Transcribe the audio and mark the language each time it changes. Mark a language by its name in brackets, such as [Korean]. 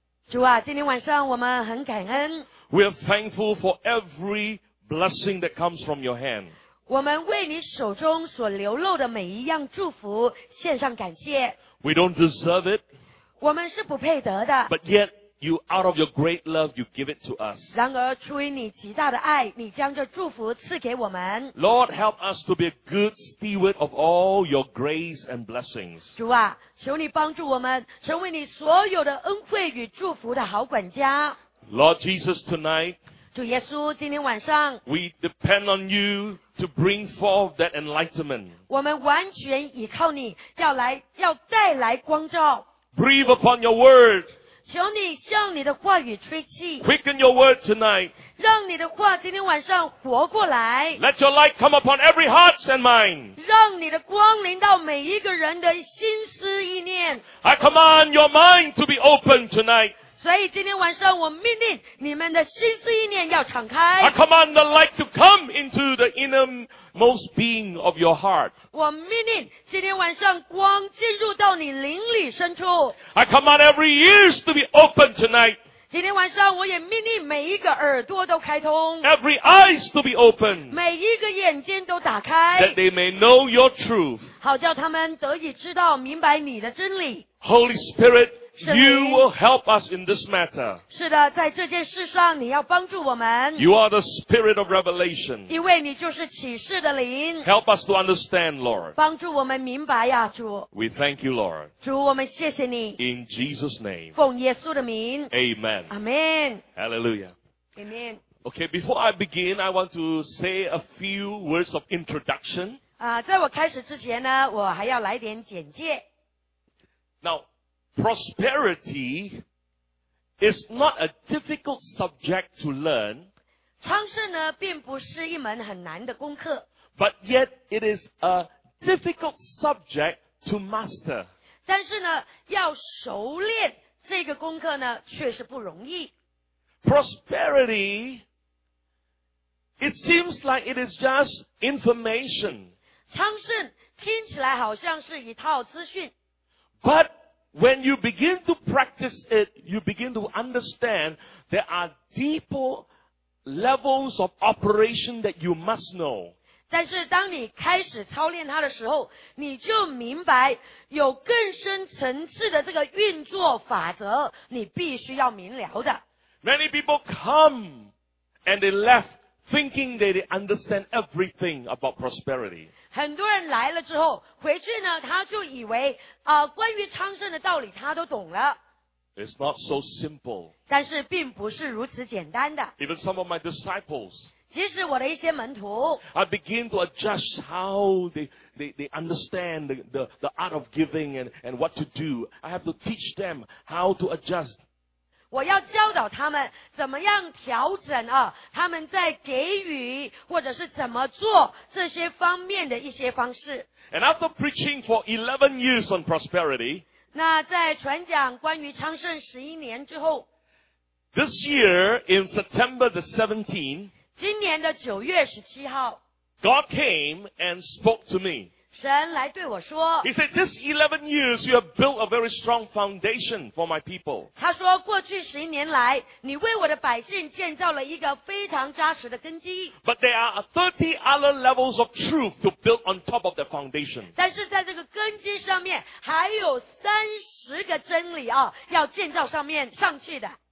[Chinese] 主啊，今天晚上我们很感恩。 [English] We are thankful for every blessing that comes from your hand. [Chinese] 我们为你手中所流露的每一样祝福献上感谢。 [English] We don't deserve it. [Chinese] 我们是不配得的。 [English] But yet, you, out of your great love, you give it to us. [Chinese] 然而，出于你极大的爱，你将这祝福赐给我们。 [English] Lord, help us to be a good steward of all your grace and blessings. [Chinese] 主啊，求你帮助我们成为你所有的恩惠与祝福的好管家。 [English] Lord Jesus, tonight, [Chinese] 主耶稣，今天晚上 [English] we depend on you to bring forth that enlightenment. [Chinese] 我们完全依靠你，要带来光照。 [English] Breathe upon your word. [Chinese] 求你向你的话语吹气。 [English] Quicken your word tonight. [Chinese] 让你的话今天晚上活过来。 [English] Let your light come upon every heart and mind. [Chinese] 让你的光临到每一个人的心思意念。 [English] I command your mind to be open tonight. [Chinese] 所以今天晚上我命令你们的心思意念要敞开。 [English] I command the light to come into the innermost being of your heart. [Chinese] 我命令今天晚上光进入到你灵里深处。 [English] I command every ears to be open tonight. [Chinese] 今天晚上我也命令每一个耳朵都开通。 [English] Every eyes to be open. [Chinese] 每一个眼睛都打开。 [English] That they may know your truth. [Chinese] 好叫他们得以知道明白你的真理。 [English] Holy Spirit,You will help us in this matter. [Chinese] 是的，在这件事上你要帮助我们。 [English] You are the spirit of revelation. [Chinese] 因为你就是启示的灵。 [English] Help us to understand, Lord. [Chinese] 帮助我们明白呀，主。 [English] We thank you, Lord. [Chinese] 主，我们谢谢你。 [English] In Jesus' name. [Chinese] 奉耶稣的名。 [English] Amen. Amen. Hallelujah. Amen. Okay, before I begin, I want to say a few words of introduction. [Chinese] 在我开始之前呢，我还要来点简介。 [English] Now,Prosperity is not a difficult subject to learn. [Chinese] 昌盛呢并不是一门很难的功课。 [English] But yet it is a difficult subject to master. [Chinese] 但是呢要熟练这个功课呢确实不容易。 [English] Prosperity, it seems like it is just information. [Chinese] 昌盛听起来好像是一套资讯。 [English] ButWhen you begin to practice it, you begin to understand there are deeper levels of operation that you must know. [Chinese] 但是当你开始操练它的时候，你就明白有更深层次的这个运作法则，你必须要明了的。 [English] Many people come and they left thinking that they understand everything about prosperity. [Chinese] 很多人来了之后回去呢他就以为关于昌盛的道理他都懂了。 [English] It's not so simple. [Chinese] 但是并不是如此简单的。 [English] Even some of my disciples. [Chinese] 即使我的一些门徒。 [English] I begin to adjust how they understand the art of giving and what to do. I have to teach them how to adjust. [Chinese] 我要教导他们怎么样调整啊，他们在给予或者是怎么做这些方面的一些方式。 [English] And after preaching for 11 years on prosperity, [Chinese] 那在传讲关于昌盛11年之后 [English] This year in September the 17th, [Chinese] 今年的9月17号 [English] God came and spoke to me. [Chinese] 神来对我说 [English] He said, this 11 years you have built a very strong foundation for my people. [Chinese] 过去十一年来你为我的百姓建造了一个非常扎实的根基。 [English] But there are 30 other levels of truth to build on top of the foundation. [Chinese] 但是在这个根基上面还有三十个真理啊要建造上面上去的。